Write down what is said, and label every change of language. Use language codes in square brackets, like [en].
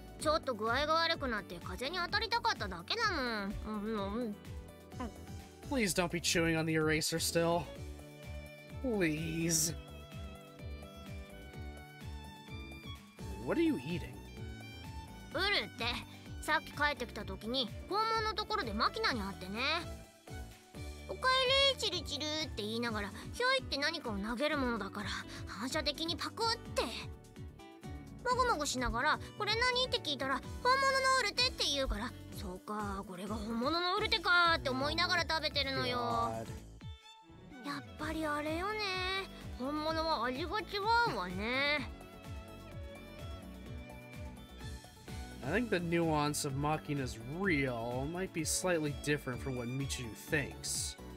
[ja] ちょっと具合が悪くなって風に当たりたかっただけだもん。 [en] Please don't be chewing on the eraser still. Please. What are you eating? [ja] うるって、さっき帰ってきた時に校門のところでマキナに会ってね。おかえり、チルチルって言いながらひょいって何かを投げるものだから反射的にパクってもごもごしながらこれ何って聞いたら本物のウルテって言うからそうか、これが本物のウルテかって思いながら食べてるのよ。やっぱりあれよね、本物は味が違うわね。 [en] I think the nuance of Makina's real might be slightly different from what Michiru thinks.